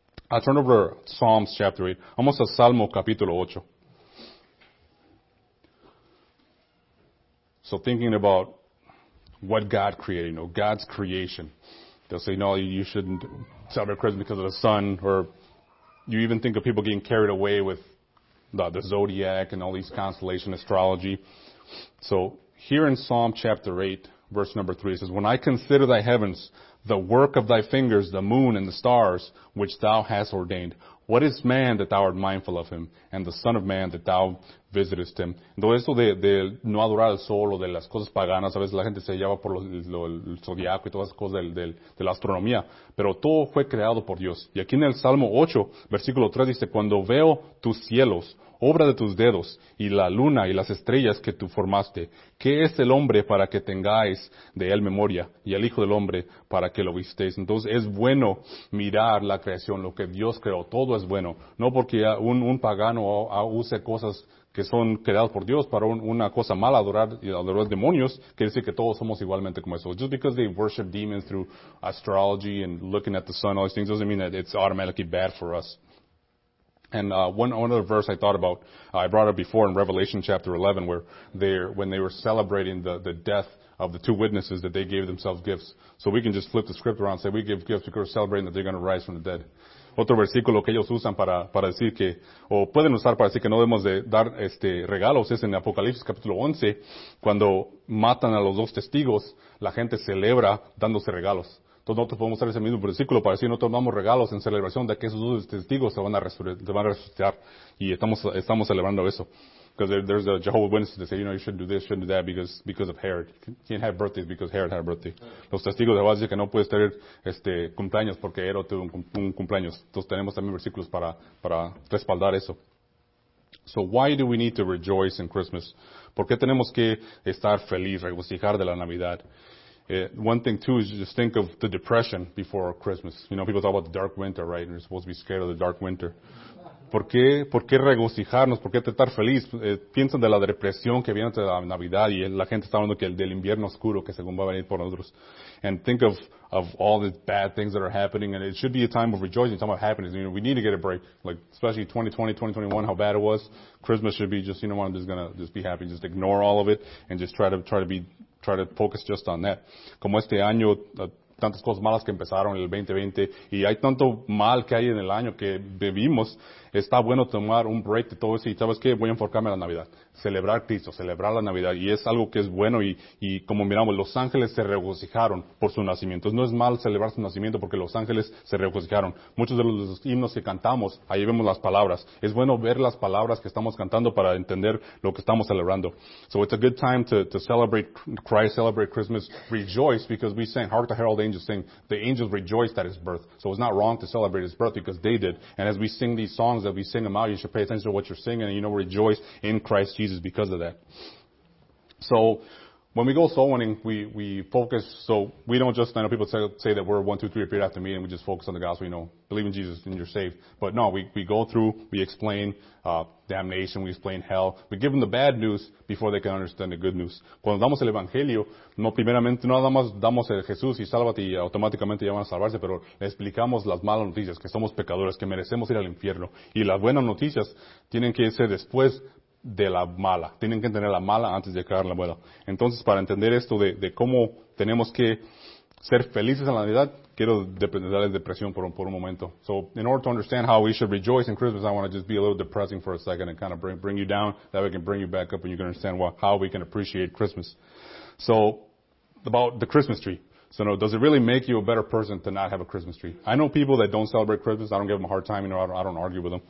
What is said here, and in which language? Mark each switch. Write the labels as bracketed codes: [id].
[en] I'll turn over to Psalms chapter 8. [es] Vamos a Salmo capítulo 8. [en] So thinking about what God created, you know, God's creation. They'll say, no, you shouldn't celebrate Christmas because of the sun, or you even think of people getting carried away with the zodiac and all these constellation astrology. So here in Psalm chapter 8, verse number 3, it says, when I consider thy heavens, the work of thy fingers, the moon and the stars, which thou hast ordained, what is man that thou art mindful of him, and the son of man that thou visitest him? [es] Entonces, esto de no adorar al sol o de las cosas paganas, a veces la gente se lleva por el zodiaco y todas las cosas de la astronomía, pero todo fue creado por Dios. Y aquí en el Salmo 8, versículo 3, dice, cuando veo tus cielos, obra de tus dedos, y la luna y las estrellas que tú formaste, ¿qué es el hombre para que tengáis de él memoria, y el hijo del hombre para que lo visteis? Entonces, es bueno mirar la creación, lo que Dios creó, todo es bueno. No porque un pagano use cosas que son creados por Dios para una cosa mala, adorar demonios, quiere decir que todos somos igualmente como eso. [en] Just because they worship demons through astrology and looking at the sun, all these things, doesn't mean that it's automatically bad for us. And one other verse I thought about, I brought up before in Revelation chapter 11, where when they were celebrating the death of the two witnesses, that they gave themselves gifts. So we can just flip the script around and say, we give gifts because we're celebrating that they're going to rise from the dead. [es] Otro versículo que ellos usan para decir que, o pueden usar para decir que no debemos de dar regalos, es en Apocalipsis capítulo 11, cuando matan a los dos testigos, la gente celebra dándose regalos. Entonces nosotros podemos usar ese mismo versículo para decir, nosotros damos regalos en celebración de que esos dos testigos se van a resucitar, y estamos celebrando eso. [en] Because there's a Jehovah's Witnesses that say, you know, you shouldn't do this, shouldn't do that because of Herod. You can't have birthdays because Herod had a birthday. [es] Los testigos de Jehová dicen que no puedes tener cumpleaños porque Herod tuvo un cumpleaños. Entonces tenemos también versículos para respaldar eso. [en] So why do we need to rejoice in Christmas? [es] ¿Por qué tenemos que estar feliz, regocijar de la Navidad? [en] One thing, too, is just think of the depression before Christmas. You know, people talk about the dark winter, right? And you're supposed to be scared of the dark winter. [es] ¿Por qué regocijarnos? ¿Por qué estar feliz? Piensan de la depresión que viene de la Navidad y la gente está hablando que del invierno oscuro que según va a venir por nosotros. [en] And think of all the bad things that are happening, and it should be a time of rejoicing, a time of happiness. You know, we need to get a break, like especially 2020, 2021, how bad it was. Christmas should be just, you know what, I'm just going to just be happy, just ignore all of it and just try to focus just on that. [es] Como este año, tantas cosas malas que empezaron en el 2020 y hay tanto mal que hay en el año que vivimos, está bueno tomar un break de todo eso y sabes qué, voy a enfocarme a la Navidad, celebrar Cristo, celebrar la Navidad, y es algo que es bueno, y como miramos, los ángeles se regocijaron por su nacimiento. Entonces, no es mal celebrar su nacimiento porque los ángeles se regocijaron. Muchos de los himnos que cantamos, ahí vemos las palabras. Es bueno ver las palabras que estamos cantando para entender lo que estamos celebrando. [en] So it's a good time to celebrate Christ, celebrate Christmas, rejoice because we sang, hark the herald angels sing, the angels rejoiced at his birth. So it's not wrong to celebrate his birth because they did. And as we sing these songs, that we sing them out, you should pay attention to what you're singing, and you know, rejoice in Christ Jesus because of that. So when we go soul winning, we focus, so we don't just, I know people say that we're 1, 2, 3 appeared after me and we just focus on the gospel, you know, believe in Jesus and you're saved. But no, we go through, we explain damnation, we explain hell, we give them the bad news before they can understand the good news. [es] Cuando damos el evangelio, no primeramente, no nada más damos el Jesús y sálvate y automáticamente ya van a salvarse, pero le explicamos las malas noticias, que somos pecadores, que merecemos ir al infierno. Y las buenas noticias tienen que ser después de la mala. Tienen que entender la mala antes de caer la buena. Entonces, para entender esto de cómo tenemos que ser felices en la Navidad, quiero darles depresión por un momento. [en] So, in order to understand how we should rejoice in Christmas, I want to just be a little depressing for a second and kind of bring you down. That way, I can bring you back up and you can understand how we can appreciate Christmas. So, about the Christmas tree. So, no, does it really make you a better person to not have a Christmas tree? I know people that don't celebrate Christmas. I don't give them a hard time. You know, I don't argue with them.